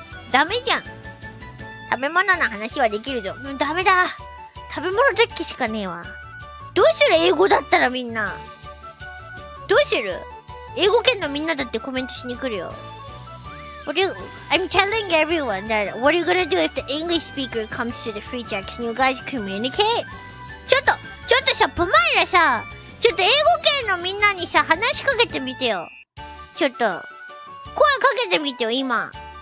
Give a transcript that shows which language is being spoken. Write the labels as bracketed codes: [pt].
[ja] ダメじゃん。食べ物の話はできるぞ。もうダメだ。食べ物デッキしかねえわ。どうする英語だったらみんな。どうする英語圏のみんなだってコメントしに来るよ。 [en] I'm telling everyone that what are you gonna do if the English speaker comes to the free chat? Can you guys communicate? [ja] ちょっとさ、プマイラさ、ちょっと英語圏のみんなにさ、話しかけてみてよ。ちょっと、声かけてみてよ、今。